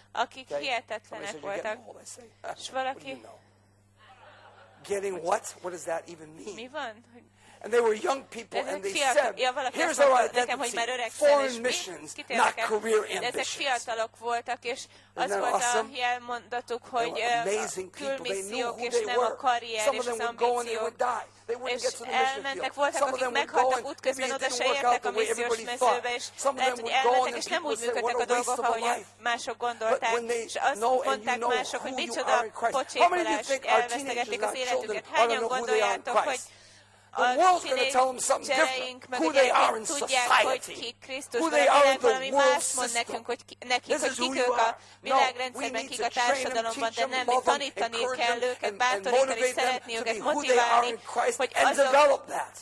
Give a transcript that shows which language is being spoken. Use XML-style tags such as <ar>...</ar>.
<en>Okay. Well, they said, you're getting old, I say. What do you know? Getting what? What does that even mean?</en> <hu>Mi van?</hu> <en>And they were young people, and they said, here's our identity, foreign missions, not career ambitions.</en> <hu>Az volt</hu> <en>awesome?</en> <hu>A jelmondatuk, hogy külmissziók, és nem</hu> <en>were.</en> <hu>A karrier, és az ambíciók. És elmentek, voltak, akik meghaltak útközben, oda se értek a missziós mezőbe, és lehet, hogy elmentek, és nem úgy működtek a dolgok, ahogy mások gondolták, és azt mondták mások, hogy micsoda pocsékolás, elvesztegették az életüket. Hányan gondoljátok, hogy</hu> <en>the world's going to tell them something different. Who they are in society. Who they are in the world system. This is who you are. No, we need to train them, teach them, love them, encourage them, and motivate them to be who they are in Christ and develop that.</en>